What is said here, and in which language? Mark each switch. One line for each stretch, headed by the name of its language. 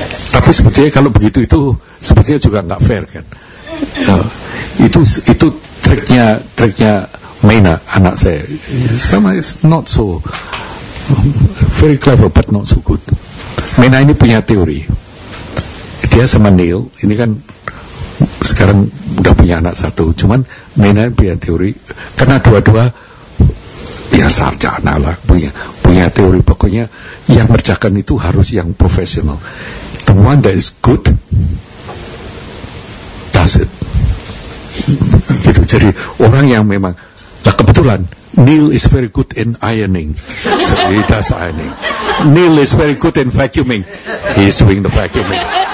Indonesian: Tapi sebetulnya kalau begitu itu sebetulnya juga enggak fair kan. Itu triknya Maina, anak saya.
English: Sama is not so very clever but not so good.
Indonesian: Maina ini punya teori. Dia sama Neil ini kan sekarang udah punya anak satu, cuman Maina punya teori karena dua-dua ya sarjana lah, punya teori, pokoknya yang merjakan itu harus yang profesional.
English: The one that is good does it.
Indonesian: Gitu, jadi orang yang memang, nah kebetulan
English: Neil is very good in ironing, so he does ironing. Neil is very good in vacuuming, he is doing the vacuuming.